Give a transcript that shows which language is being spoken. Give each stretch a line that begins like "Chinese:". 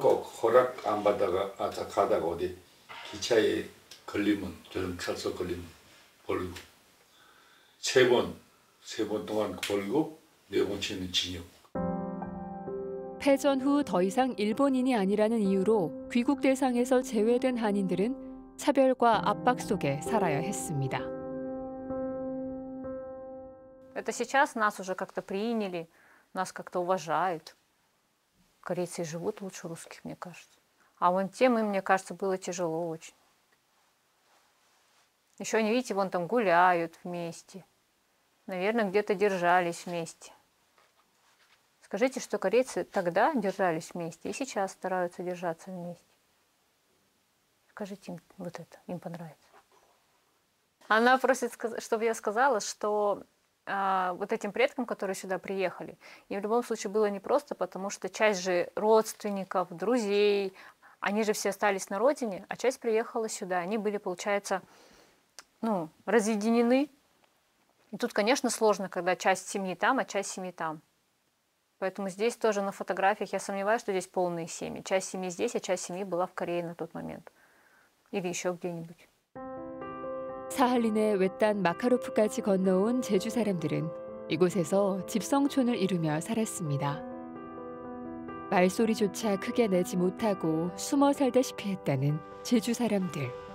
Korean: 꼭 허락 안 받다가 가다가 어디 기차에 걸리면 경찰서 걸리면 벌금 세 번 동안 벌금 네 번째는 징역. 패전 후 더 이상 일본인이 아니라는 이유로 귀국 대상에서 제외된 한인들은 차별과 압박 속에 살아야 했습니다.
Russian: Это сейчас нас уже как-то приняли, нас как-то уважают. Корейцы живут лучше русских, мне кажется. А вон тем, им, мне кажется, было тяжело очень. Еще они, видите, вон там гуляют вместе. Наверное, где-то держались вместе. Скажите, что корейцы тогда держались вместе и сейчас стараются держаться вместе. Скажите им вот это, им понравится. Она просит, чтобы я сказала, что вот этим предкам, которые сюда приехали, и в любом случае было непросто, потому что часть же родственников, друзей, они же все остались на родине, а часть приехала сюда. Они были, получается, ну, разъединены. И тут, конечно, сложно, когда часть семьи там, а часть семьи там. Поэтому здесь тоже на фотографиях, я сомневаюсь, что здесь полные семьи. Часть семьи здесь, а часть семьи была в Корее на тот момент. Или еще где-нибудь.
Korean: 사할린의 외딴 마카로프까지 건너온 제주 사람들은 이곳에서 집성촌을 이루며 살았습니다. 말소리조차 크게 내지 못하고 숨어 살다시피 했다는 제주 사람들.